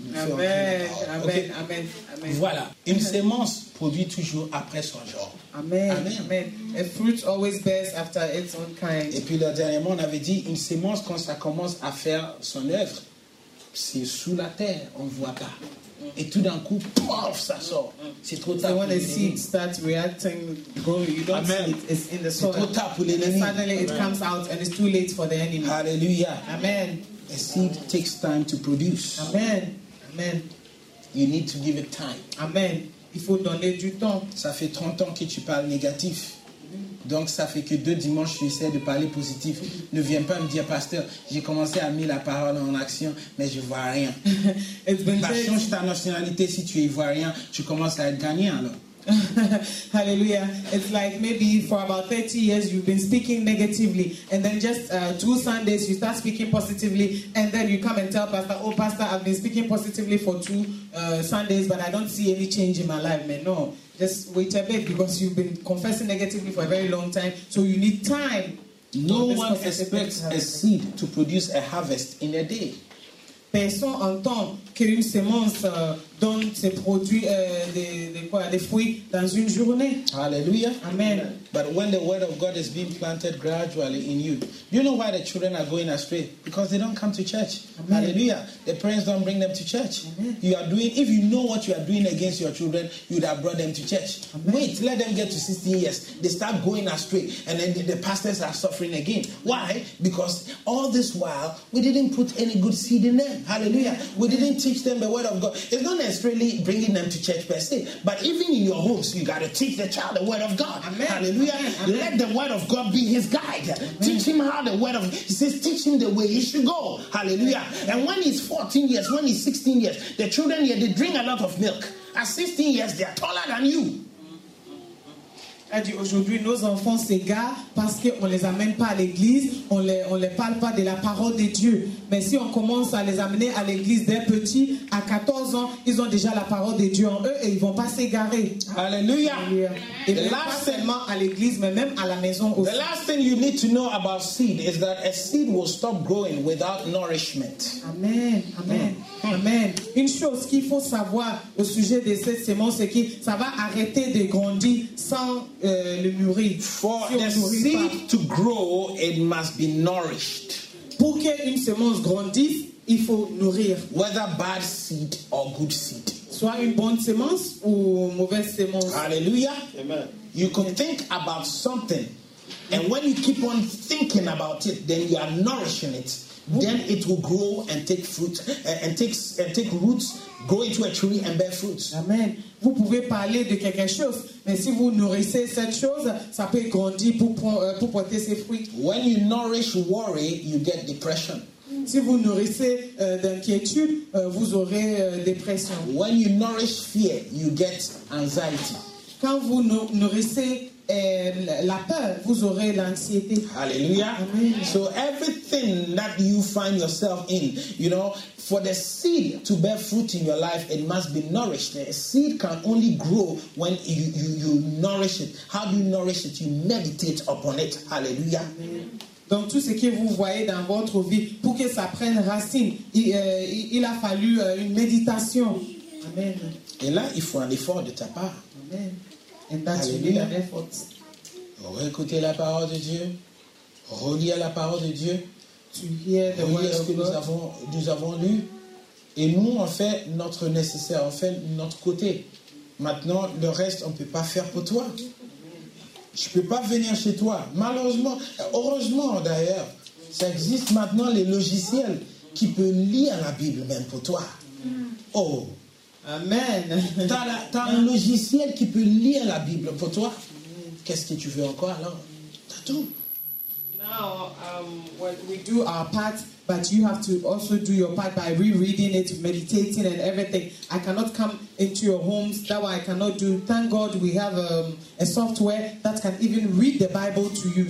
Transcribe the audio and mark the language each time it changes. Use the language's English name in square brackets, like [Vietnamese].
[French] faire. Amen. Okay. Amen. Amen. Voilà. Une sémence produit toujours après son genre. Amen. Amen. [English] Amen. A fruit always bears after its own kind. [French] Et puis, dernièrement, on avait dit, une sémence, quand ça commence à faire son œuvre, c'est sous la terre, on ne voit pas. Et tout d'un coup, pof, ça sort. C'est trop tard. [English] So when the seed starts reacting, growing, you don't see it. It's in the soil. [French] C'est trop tard pour l'ennemi. [English] And suddenly it comes out and it's too late for the enemy. Hallelujah. Amen. A seed takes time to produce. Amen. Amen. You need to give it time. [French] Amen. Il faut donner du temps. Ça fait 30 ans que tu parles négatif. Donc ça fait que deux dimanches tu essaies de parler positif. Ne viens pas me dire, pasteur, j'ai commencé à mettre la parole en action, mais je vois rien. Change ta nationalité, si tu y vois rien, tu commences à être gagnant alors. Hallelujah. [English] It's like maybe for about 30 years you've been speaking negatively, and then just two Sundays you start speaking positively, and then you come and tell pastor, oh pastor, I've been speaking positively for two Sundays, but I don't see any change in my life, man. No. Just wait a bit, because you've been confessing negatively for a very long time. So you need time. No one expects a seed to produce a harvest in a day. [French] Personne entend que une semence donne ses produits des fruits dans une journée. Hallelujah. Amen. [English] But when the word of God is being planted gradually in you, you know why the children are going astray? Because they don't come to church. Amen. Hallelujah. The parents don't bring them to church. Amen. You are doing, if you know what you are doing against your children, you'd have brought them to church. Amen. Wait, let them get to 16 years. They start going astray, and then the pastors are suffering again. Why? Because all this while we didn't put any good seed in them. Hallelujah. Amen. We didn't teach them the word of God. It's not necessarily bringing them to church per se, but even in your homes, you got to teach the child the word of God. Amen. Hallelujah. Amen. Let the word of God be his guide. Amen. Teach him how the word of God, he says, teach him the way he should go. Hallelujah. Amen. And when he's 14 years, when he's 16 years, the children here, they drink a lot of milk. At 16 years, they are taller than you. [French] Elle dit, aujourd'hui, nos enfants s'égarent parce qu'on ne les amène pas à l'église, on les parle pas de la parole de Dieu. Mais si on commence à les amener à l'église dès petits, à 14 ans, ils ont déjà la parole de Dieu en eux et ils ne vont pas s'égarer. Alléluia. Et là, pas seulement à l'église, mais même à la maison aussi. [English] The last thing you need to know about seed is that a seed will stop growing without nourishment. Amen. Amen. Mm. Amen. [French] Une chose qu'il faut savoir au sujet de cette semence, c'est que ça va arrêter de grandir sans le mûrir. [English] For the seed to grow, it must be nourished. [French] Pour que une semence grandisse, il faut nourrir. [English] Whether bad seed or good seed. [French] Soit une bonne semence ou mauvaise semence. Hallelujah. Amen. [English] You can think about something, and when you keep on thinking about it, then you are nourishing it. Then it will grow and take fruit and take roots, grow into a tree and bear fruit. Amen. [French] Vous pouvez parler de quelque chose, mais si vous nourrissez cette chose, ça peut grandir pour porter ses fruits. [English] When you nourish worry, you get depression. [French] Si vous nourrissez d'inquiétude, vous aurez dépression. [English] When you nourish fear, you get anxiety. [French] Quand vous nourrissez la peur, vous aurez l'anxiété. Hallelujah. Amen. [English] So everything that you find yourself in, you know, for the seed to bear fruit in your life, it must be nourished. A seed can only grow when you nourish it. How do you nourish it? You meditate upon it. Hallelujah. Amen. [French] Donc tout ce que vous voyez dans votre vie, pour que ça prenne racine, il a fallu une méditation. Amen. Et là, il faut un effort de ta part. [English] Amen. And that's really an effort. [French] Récouter la parole de Dieu. Relire la parole de Dieu. [English] To hear the word of God. [French] Nous avons lu. Et nous, on fait notre nécessaire. On fait notre côté. Maintenant, le reste, on ne peut pas faire pour toi. Je ne peux pas venir chez toi. Malheureusement. Heureusement, d'ailleurs. Ça existe maintenant, les logiciels qui peuvent lire la Bible même pour toi. Oh! Amen. T'as un logiciel qui peut lire la Bible pour toi. Qu'est-ce que tu veux encore alors? T'as tout. [English] Now, we do our part, but you have to also do your part by rereading it, meditating and everything. I cannot come into your homes. That's why I cannot do. Thank God we have a software that can even read the Bible to you.